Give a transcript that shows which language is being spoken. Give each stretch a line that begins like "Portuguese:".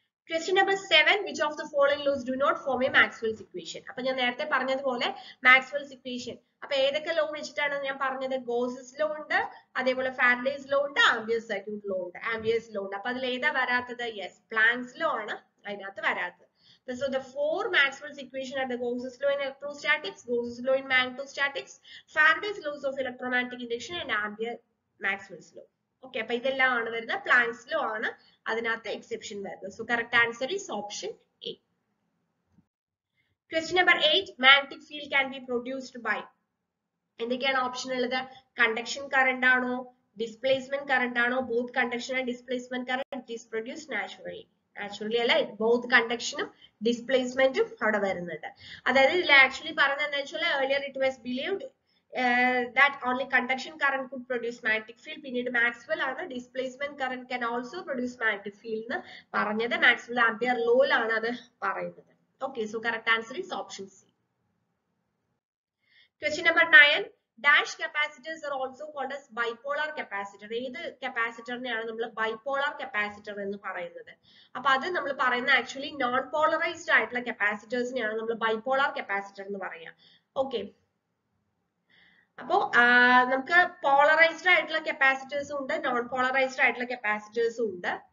English: Question number 7, which of the following laws do not form a Maxwell's equation.
Malayalam: അപ്പൊ ഞാൻ നേരത്തെ പറഞ്ഞതുപോലെ Maxwell's equation, അപ്പൊ ഏതൊക്കെ ലോ വെച്ചിട്ടാണ് ഞാൻ പറഞ്ഞത്? ഗോസ്സ് ലോ ഉണ്ട്, അതേപോലെ ഫാരഡേസ് ലോ ഉണ്ട്, ആമ്പിയർ സർക്യൂട്ട് ലോ ഉണ്ട്, ആമ്പിയർസ് ലോ ഉണ്ട്. അപ്പൊ അതിൽ ഏതാ വരാത്തത്? യെസ്, പ്ലാങ്ക്സ് ലോ ആണ് അതിനകത്ത് വരാത്തത്.
English: So the four Maxwell's equation are the Gauss's law in electrostatics, Gauss's law in magnetostatics, Faraday's laws of electromagnetic induction and Ampere Maxwell's law.
Malayalam: Okay, അപ്പോൾ ഇതെല്ലാം ആണ് വരുന്നത്. പ്ലാങ്ക്സ് ലോ ആണ് അതിനകത്ത് എക്സെപ്ഷൻ വരുന്നത്.
English: So correct answer is option A. Question number 8, magnetic field can be produced by.
Malayalam: എന്തൊക്കെയാണ് option ഉള്ളത്? Conduction current ആണോ, ഡിസ്പ്ലേസ്മെന്റ് കറന്റ് ആണോ,
English: Both conduction and displacement current? It is produced naturally.
Malayalam: Naturally അല്ലെ, both കണ്ടക്ഷനും ഡിസ്പ്ലേസ്മെന്റും അവിടെ വരുന്നുണ്ട്. അതായത് ഇതിൽ ആക്ച്വലി പറഞ്ഞതെന്ന് വെച്ചാൽ,
English: earlier it was believed that only conduction current could produce magnetic field,
Malayalam: പിന്നീട് മാക്സ്വെൽ ആണ്
English: displacement current can also produce magnetic field
Malayalam: എന്ന് പറഞ്ഞത്.
English: Maxwell Ampere
Malayalam: ലോയിലാണ് അത് പറയുന്നത്.
English: Okay, so correct answer is option C. Question number 9, dash capacitors are also called as bipolar capacitor.
Malayalam: ഏത് capacitor-നെ ആണ് നമ്മൾ bipolar capacitor എന്ന് പറയുന്നത്? അപ്പോൾ അത് നമ്മൾ പറയുന്ന actually non polarized ആയിട്ടുള്ള capacitors നെ ആണ് നമ്മൾ bipolar capacitor എന്ന് പറയാ. ഓക്കേ. അപ്പോൾ നമുക്ക് polarized ആയിട്ടുള്ള capacitors ഉണ്ട്, non polarized ആയിട്ടുള്ള capacitors ഉണ്ട്.